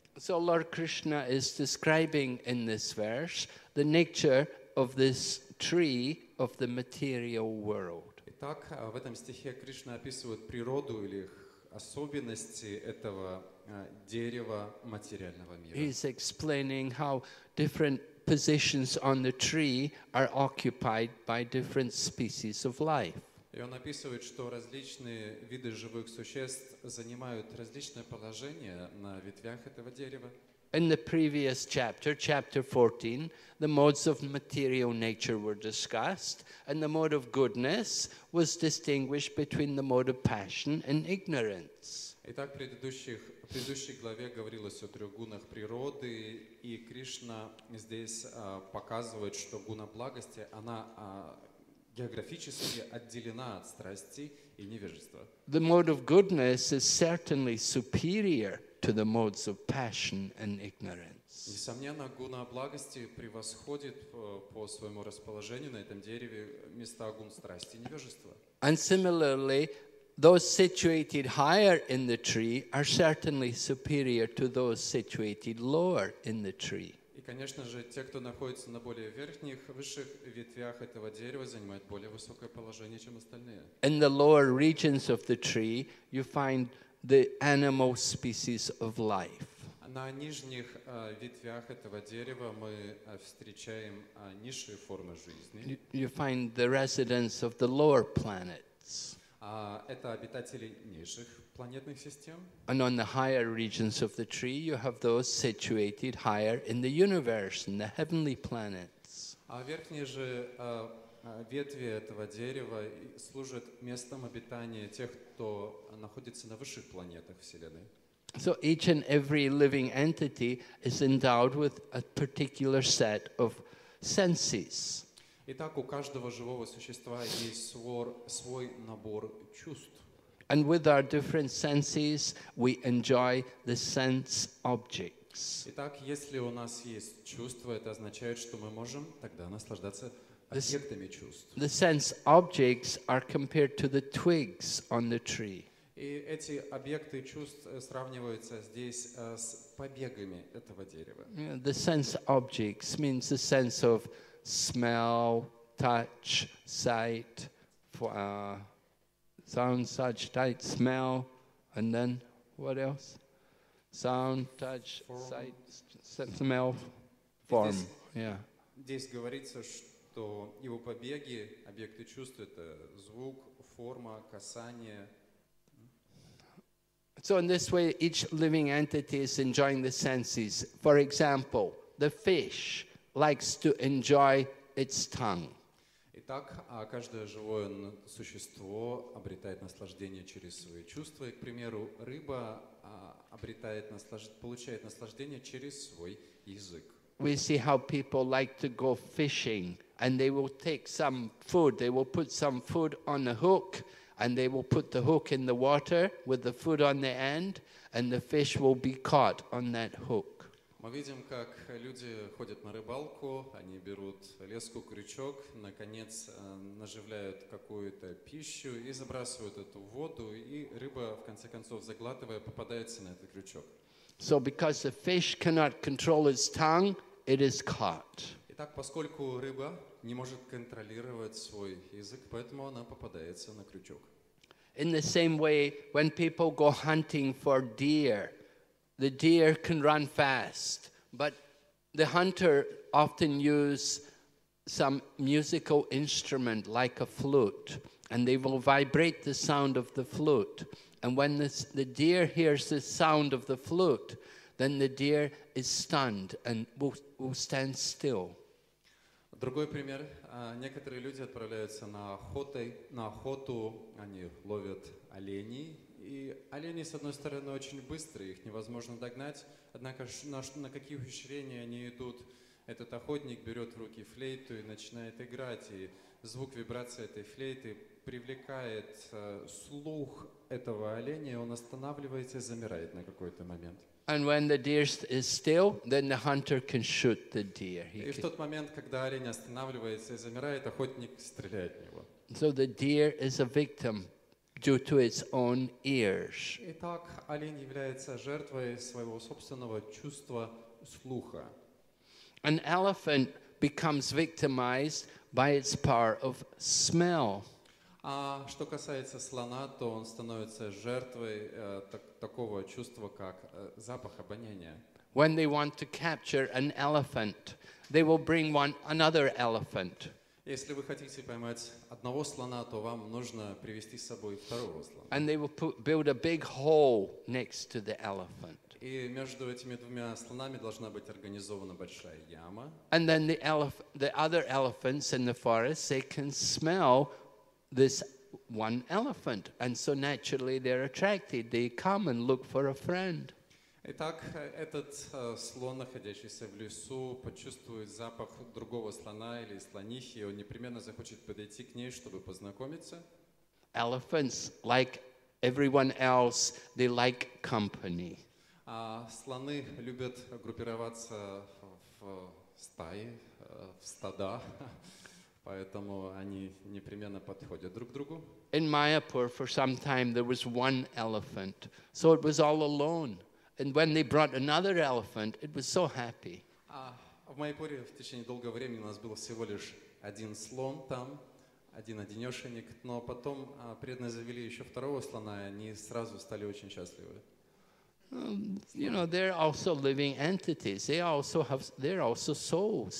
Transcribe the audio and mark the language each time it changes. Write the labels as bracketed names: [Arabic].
[English] So Lord Krishna is describing in this verse the nature of this tree of the material world. [Russian] Так, в этом стихе Кришна описывает природу или особенности этого дерева материального мира. [English] He is explaining how different positions on the tree are occupied by different species of life. [Russian] И он описывает, что различные виды живых существ занимают различные положения на ветвях этого дерева. [English] In the previous chapter, chapter 14, the modes of material nature were discussed, and the mode of goodness was distinguished between the mode of passion and ignorance. [Russian] Итак, в предыдущей главе говорилось о трех гунах природы, и Кришна здесь показывает, что гуна благости, она географически отделена от страсти и невежества. [English] The mode of goodness is certainly superior to the modes of passion and ignorance. [Russian] Несомненно, гуна благости превосходит по своему расположению на этом дереве места гун страсти и невежества. [English] And similarly, those situated higher in the tree are certainly superior to those situated lower in the tree. [Russian] И, конечно же, те, кто находится на более верхних, высших ветвях этого дерева, занимают более высокое положение, чем остальные. [English] In the lower regions of the tree, you find the animal species of life. [Russian] На нижних ветвях этого дерева мы встречаем низшие формы жизни. [English] You find the residents of the lower planets. [Russian] Это обитатели низших планетных систем. [English] And on the higher regions of the tree, you have those situated higher in the universe, in the heavenly planets. [Russian] А верхние же ветви этого дерева служат местом обитания тех, кто находится на высших планетах Вселенной. [English] So each and every living entity is endowed with a particular set of senses. [Russian] Итак, у каждого живого существа есть свой набор чувств. [English] And with our different senses, we enjoy the sense objects. [Russian] Итак, если у нас есть чувства, это означает, что мы можем тогда наслаждаться объектами чувств. [English] The sense objects are compared to the twigs on the tree. [Russian] И эти объекты чувств сравниваются здесь с побегами этого дерева. [English] The sense objects means the sense of smell, touch, sight, sound, touch, sight, smell, and then what else? Sound, touch, form. Sight, smell, form. [Russian] Здесь говорится, что его побеги, объекты чувств, это звук, форма, касание. [English] So in this way, each living entity is enjoying the senses. For example, the fish likes to enjoy its tongue. [Russian] Итак, каждое живое существо обретает наслаждение через свои чувства. И, к примеру, рыба обретает получает наслаждение через свой язык. [English] We see how people like to go fishing, and they will take some food. They will put some food on a hook, and they will put the hook in the water with the food on the end, and the fish will be caught on that hook. [Russian] Мы видим, как люди ходят на рыбалку, они берут леску, крючок, наконец наживляют какую-то пищу и забрасывают эту воду, и рыба, в конце концов, заглатывая, попадается на этот крючок. [English] So because the fish cannot control its tongue, it is caught. [Russian] Итак, поскольку рыба не может контролировать свой язык, поэтому она попадается на крючок. [English] In the same way, when people go hunting for deer, the deer can run fast, but the hunter often use some musical instrument like a flute, and they will vibrate the sound of the flute. And when the deer hears the sound of the flute, then the deer is stunned and will stand still. [Russian] Другой пример. Некоторые люди отправляются на охоту, они ловят оленей. И олени, с одной стороны, очень быстрые, их невозможно догнать. Однако на какие ухищрения они идут? Этот охотник берет в руки флейту и начинает играть. И звук вибрации этой флейты привлекает слух этого оленя, и он останавливается и замирает на какой-то момент. [English] And when the deer is still, then the hunter can shoot the deer. [Russian] И в тот момент, когда олень останавливается и замирает, охотник стреляет в него. [English] So the deer is a victim due to its own ears. [Russian] Итак, олень является жертвой своего собственного чувства слуха. [English] An elephant becomes victimized by its power of smell. [Russian] А что касается слона, то он становится жертвой такого чувства, как запах, обоняние. [English] When they want to capture an elephant, they will bring another elephant. [Russian] Если вы хотите поймать одного слона, то вам нужно привести с собой второго слона. [English] And they will build a big hole next to the elephant. [Russian] И между этими двумя слонами должна быть организована большая яма. [English] And then the other elephants in the forest, they can smell this one elephant, and so naturally they're attracted. They come and look for a friend. [Russian] Итак, этот слон, находящийся в лесу, почувствует запах другого слона или слонихи, и он непременно захочет подойти к ней, чтобы познакомиться. [English] Elephants, like everyone else, they like company. [Russian] Слоны любят группироваться в стаи, в стада, поэтому они непременно подходят друг к другу. [English] In Mayapur, for some time, there was one elephant, so it was all alone. And when they brought another elephant, it was so happy. [Russian] В Майпуре в течение долгого времени у нас был всего лишь один слон там, один одинешенек, но потом преданные завели еще второго слона, и они сразу стали очень счастливы. [English] You know, they're also living entities. They're also souls.